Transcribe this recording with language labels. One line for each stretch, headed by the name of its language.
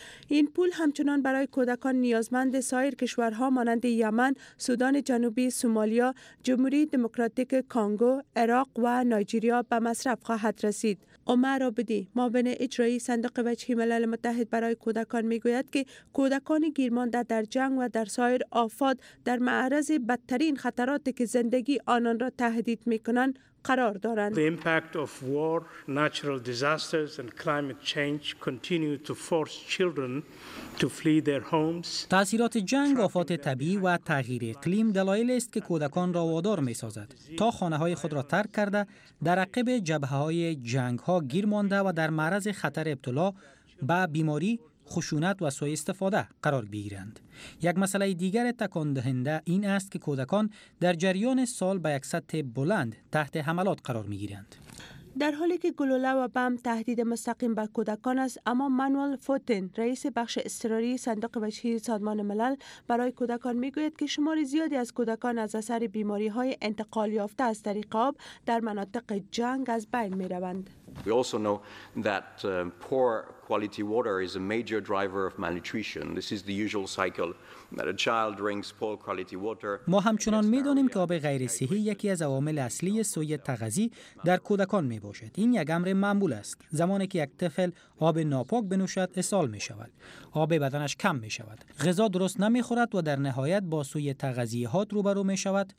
Persian: این پول همچنان برای کودکان نیازمند سایر کشورها مانند یمن، سودان جنوبی، سومالیا، جمهوری دموکراتیک کانگو، عراق و نایجیریا به مصرف خواهد رسید. عمر عبدی، معاون اجرایی صندوق وجهی ملل متحد برای کودکان میگوید که کودکان گیرمانده در جنگ و در سایر آفات در معرض بدترین خطراتی که زندگی آنان را تهدید میکنند قرار دارند.
English: The impact of war, natural disasters and climate change continue to force children to flee their homes.
Persian: تأثیرات جنگ، آفات طبیعی و تغییر اقلیم دلایل است که کودکان را وادار می‌سازد تا خانه‌های خود را ترک کرده، در عقب جبهه‌های جنگ‌ها گیر مانده و در معرض خطر ابتلا به بیماری، خشونت و سوء استفاده قرار بگیرند. یک مسئله دیگر تکان دهنده این است که کودکان در جریان سال به یک سطح بلند تحت حملات قرار می گیرند. در حالی که گلوله و بم تهدید مستقیم به کودکان است، اما مانوئل فوتن، رئیس بخش اضطراری صندوق وجهی سازمان ملل برای کودکان میگوید که شمار زیادی از کودکان از اثر بیماری های انتقال یافته از طریق آب در مناطق جنگ از بین می روند.
English: We also know that poor quality water is a major driver of malnutrition. This is the usual cycle that a child drinks poor quality water.
Persian: ما همچنان می‌دانیم که آب غیر صحی یکی از عوامل اصلی سوء تغذی در کودکان می‌باشد. این یک امر معمول است. زمانی که یک طفل آب ناپاک بنوشد، اسهال می‌شود. آب بدنش کم می‌شود. غذا درست نمی‌خورد و در نهایت با سوء تغذیات روبرو می‌شود.